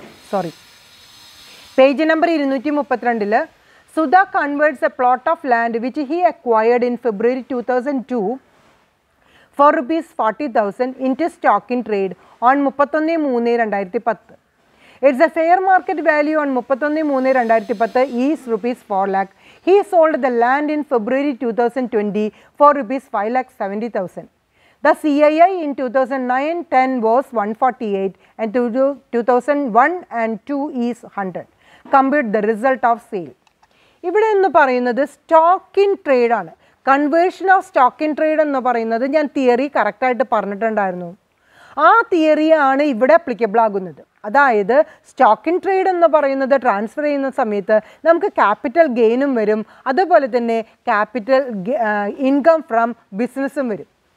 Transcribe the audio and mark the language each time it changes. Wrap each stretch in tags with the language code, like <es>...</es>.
<en>Sorry, page number 232 Sudha converts a plot of land which he acquired in February 2002 for ₹40,000 in to stock in trade on 31/3/2010. Its a fair market value on 31/3/2010 is ₹4,00,000. He sold the land in February 2020 for ₹5,70,000. The CII in 2009-10 was 148 and 2001-2 is 100. Compute the result of sale.</en> <ml>ഇവിടെ എന്ന് പറയുന്നത് stock in trade ആണ്. Conversion of stock in trade എന്ന് പറയുന്നത് ഞാൻ theory കറക്റ്റായിട്ട് പറഞ്ഞിട്ടുണ്ടായിരുന്നു. ആ തിയറിയാണ് ഇവിടെ അപ്ലിക്കബിൾ ആകുന്നത്. അതായത് സ്റ്റോക്ക് ഇൻ ട്രേഡ് എന്ന് പറയുന്നത് ട്രാൻസ്ഫർ ചെയ്യുന്ന സമയത്ത് നമുക്ക് ക്യാപിറ്റൽ ഗെയിനും വരും, അതുപോലെ തന്നെ ക്യാപിറ്റൽ ഇൻകം ഫ്രം ബിസിനസ്സും വരും.</ml>